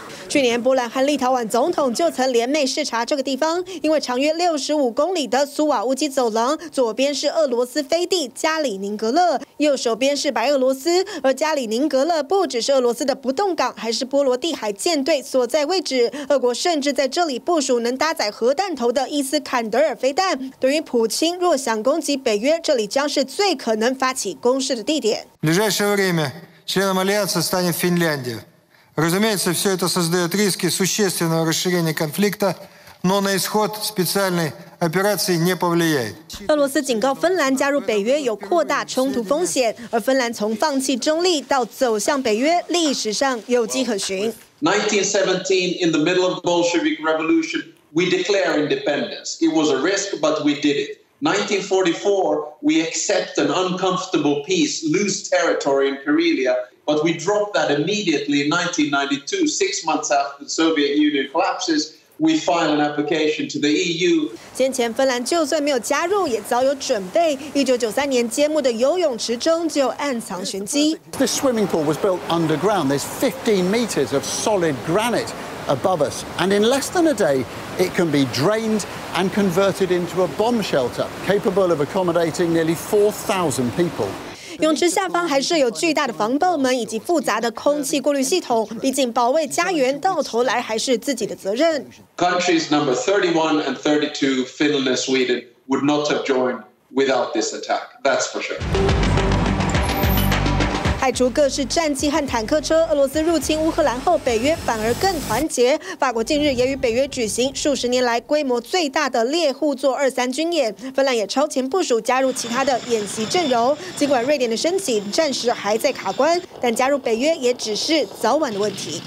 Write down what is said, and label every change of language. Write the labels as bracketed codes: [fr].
[zh] 去年波兰和立陶宛总统就曾联袂视察这个地方，因为长约65公里的苏瓦乌基走廊，左边是俄罗斯飞地加里宁格勒，右手边是白俄罗斯。而加里宁格勒不只是俄罗斯的不动港，还是波罗的海舰队所在位置。俄国甚至在这里部署能搭载核弹头的伊斯坎德尔飞弹。对于普京若想攻击北约，这里将是最可能发起攻势的地点。 [ru] Ближайшее время членом альянса станет Финляндия. Разумеется, все это создает риски существенного расширения конфликта, но на исход специальной операции не повлияет. [zh] 俄罗斯警告芬兰加入北约有扩大冲突风险，而芬兰从放弃中立到走向北约，历史上有迹可循。 [en] 1917, in the middle of the Bolshevik Revolution, we declare independence. It was a risk, but we did it. 1944, we accept an uncomfortable peace, lose territory in Karelia. But we dropped that immediately in 1992, 6 months after the Soviet Union collapses, we filed an application to the EU. [zh] 先前芬兰就算没有加入，也早有准备。1993年揭幕的游泳池中就暗藏玄机。 [en] The swimming pool was built underground. There's 15 meters of solid granite above us, and in less than a day, it can be drained and converted into a bomb shelter capable of accommodating nearly 4,000 people. [zh] 泳池下方还设有巨大的防爆门以及复杂的空气过滤系统，毕竟保卫家园到头来还是自己的责任。 [en] Countries number 31 and 32, Finland and Sweden would not have joined without this attack, that's for sure. [zh] 派出各式战机和坦克车，俄罗斯入侵乌克兰后，北约反而更团结。法国近日也与北约举行数十年来规模最大的猎户座二三军演，芬兰也超前部署加入其他的演习阵容。尽管瑞典的申请暂时还在卡关，但加入北约也只是早晚的问题。